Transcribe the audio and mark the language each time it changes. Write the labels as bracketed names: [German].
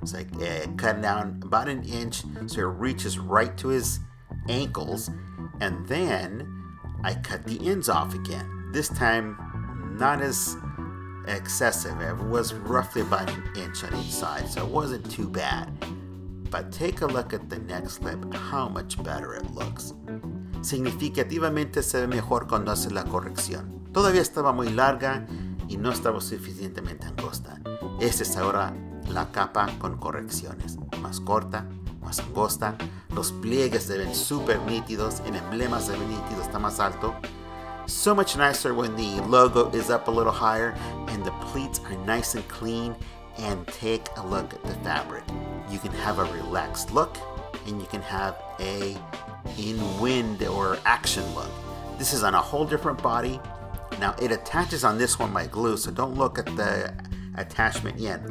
[English] It's like cut down about an inch so it reaches right to his ankles. And then I cut the ends off again. This time, not as excessive. It was roughly about an inch on each side, so it wasn't too bad. But take a look at the next clip, how much better it looks. [Spanish] Significativamente se ve mejor cuando hace la corrección. Todavía estaba muy larga y no estaba suficientemente angosta. Esta es ahora la capa con correcciones. Más corta, más angosta. Los pliegues se ven súper nítidos. El emblema se ve nítido, está más alto. [English] So much nicer when the logo is up a little higher and the pleats are nice and clean. And take a look at the fabric. You can have a relaxed look and you can have a in wind or action look. This is on a whole different body. Now it attaches on this one by glue, so don't look at the attachment yet.